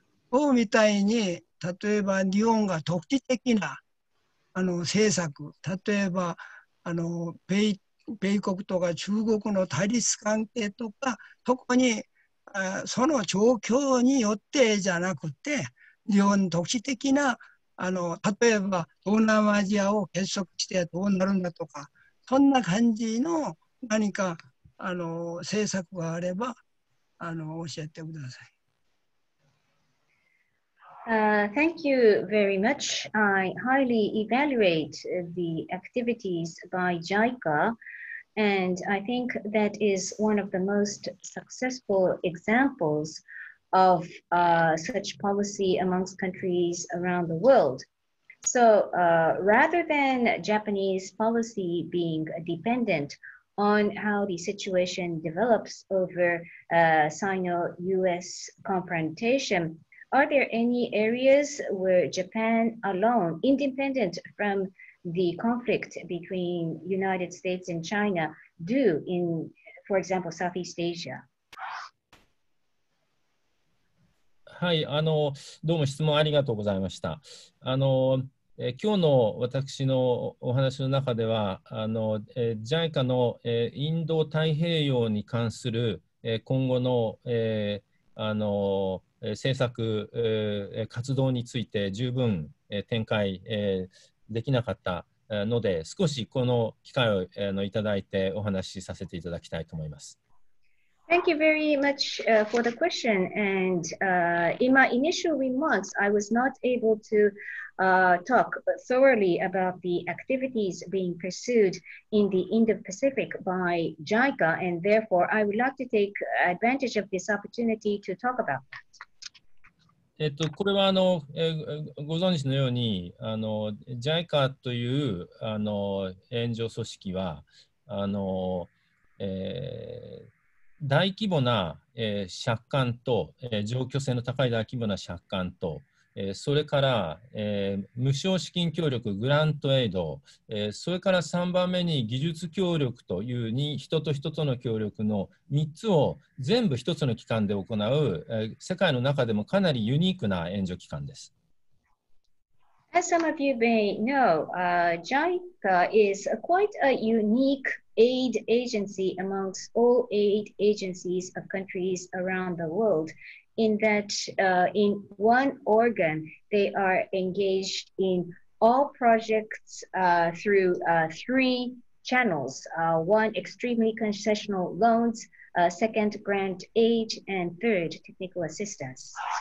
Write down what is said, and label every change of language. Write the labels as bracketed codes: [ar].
[ja] こうみたいに、例えば日本が独自的な政策、例えば米国とか中国の対立関係とか、特にその状況によってじゃなくて、日本独自的な例えば東南アジアを結束してどうなるんだとか、そんな感じの何か政策があれば教えてください。 [en] Thank you very much. I highly evaluate the activities by JICA, and I think that is one of the most successful examplesof such policy amongst countries around the world. So rather than Japanese policy being dependent on how the situation develops over Sino-US confrontation, are there any areas where Japan alone, independent from the conflict between United States and China, do in, for example, Southeast Asia? [ja] はい、どうも質問ありがとうございました。今日の私のお話の中では JICA の、インド太平洋に関する、今後の、政策、活動について十分、展開、できなかったので少しこの機会を、いただいてお話しさせていただきたいと思います。 [en] Thank you very much for the question. And in my initial remarks, I was not able to talk thoroughly about the activities being pursued in the Indo-Pacific by JICA. And therefore, I would like to take advantage of this opportunity to talk about that. [ja] これはご存知のように JICA という援助組織は大規模な、借款と、状況性の高い大規模な借款と、それから、無償資金協力、グラントエイド、それから3番目に技術協力という人と人との協力の3つを全部1つの機関で行う、世界の中でもかなりユニークな援助機関です。 [en] As some of you may know, JICA is quite a unique aid agency amongst all aid agencies of countries around the world in that in one organ, they are engaged in all projects through three channels, one extremely concessional loans, second grant aid, and third technical assistance.